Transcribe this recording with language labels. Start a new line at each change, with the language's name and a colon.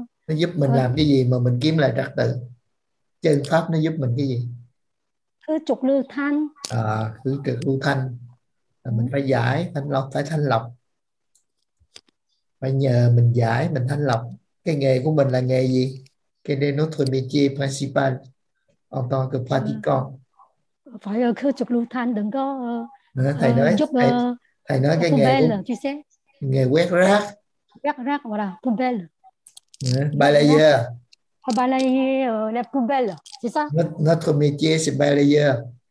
Vietnamese: Nó giúp mình làm cái gì mà mình kiếm lại chặt tử? Chân pháp nó giúp mình cái gì? Khứ trục lưu thanh. À, khứ trục lưu thanh là mình phải giải, thanh lọc, phải thanh lọc. Phải nhờ mình giải, mình thanh lọc. Cái nghề của mình là nghề gì?
French: Quel est notre métier principal en tant que pratiquant?
Vietnamese: Phải khứ trục lưu thanh, đừng có thầy nói, giúp thầy nói cái nghề của nghề quét rác. Quét rác gọi là poubelle.
French: Balayeur. Balayeur la poubelle, c'est ça? Notre métier c'est balayeur.